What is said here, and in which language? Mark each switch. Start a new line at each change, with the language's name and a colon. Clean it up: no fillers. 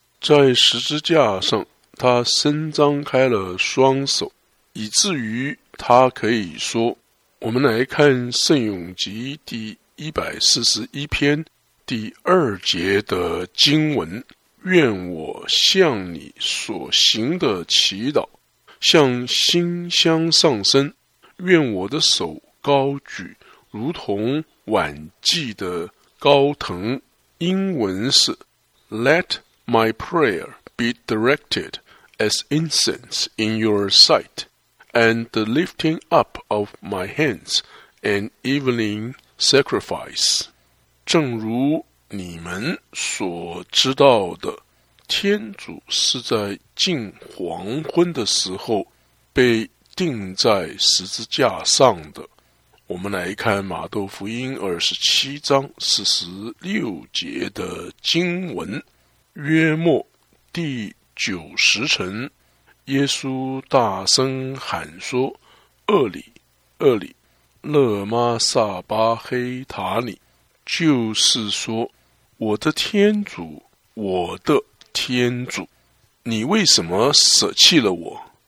Chinese: 在十字架上他伸张开了双手，以至于他可以说，我们来看圣咏集第141篇第二节的经文，愿我向你所行的祈祷向馨香上升，愿我的手高举如同晚祭的高腾。英文是
English: Let my prayer be directed as incense in your sight, and the lifting up of my hands an evening sacrifice.
Chinese: 正如你们所知道的，天主是在近黄昏的时候被钉在十字架上的。我们来看马窦福音27:46的经文，约莫第九时辰，耶稣大声喊说，厄里厄里勒玛撒巴黑塔里，就是说，我的天主，我的天主，你为什么舍弃了我？